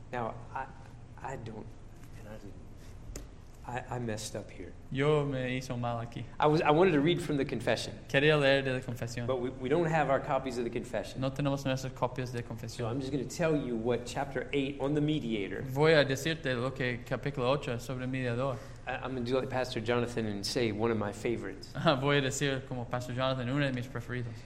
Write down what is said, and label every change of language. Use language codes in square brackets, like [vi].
[en] Now, I messed up here. [es] Yo me hizo mal aquí. [en] I wanted to read from the confession. [es] Quería leer de la confesión. [en] But we don't have our copies of the confession. [es] No tenemos nuestras copias de confesión. [en] So I'm just going to tell you what chapter 8 on the mediator. [es] Voy a decirte lo que capítulo 8 sobre el mediador. [en] I'm going to do like Pastor Jonathan and say one of my favorites. [es] Voy a decir como Pastor Jonathan, una de mis preferidas.